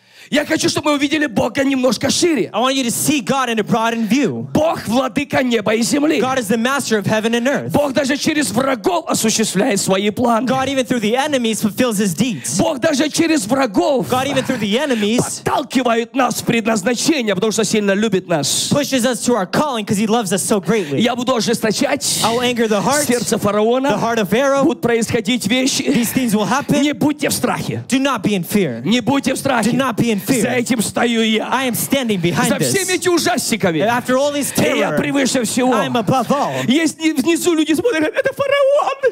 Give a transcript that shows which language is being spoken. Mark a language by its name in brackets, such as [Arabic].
[Russian] Я хочу, чтобы мы увидели Бога немножко шире. [English] I want you to see God in a broadened view. [Russian] Бог владыка неба и земли. [English] God is the master of heaven and earth. [Russian] Бог даже через врагов осуществляет свои планы. [English] God even through the enemies fulfills his deeds. [Russian] Бог даже через врагов. [English] God even through the enemies. [Russian] Подталкивает нас в предназначение, потому что сильно любит нас. [English] Pushes us to our calling because he loves us so greatly. [Russian] Я буду ожесточать. [English] I'll anger the heart. [Russian] Сердце фараона. [English] The heart of Pharaoh. [Russian] Будут происходить вещи. [English] These things will happen. [Russian] Не будьте в страхе. [English] Do not be in fear. [Russian] Не будьте в страхе. [English] Do not be in [Russian] За этим стою я. [English] I am standing behind [Russian] this. За всеми этими ужастиками. [English] After all this terror. [Russian] Я превыше всего. [English] I am above all. [Russian] Есть внизу люди смотрят, это фараон.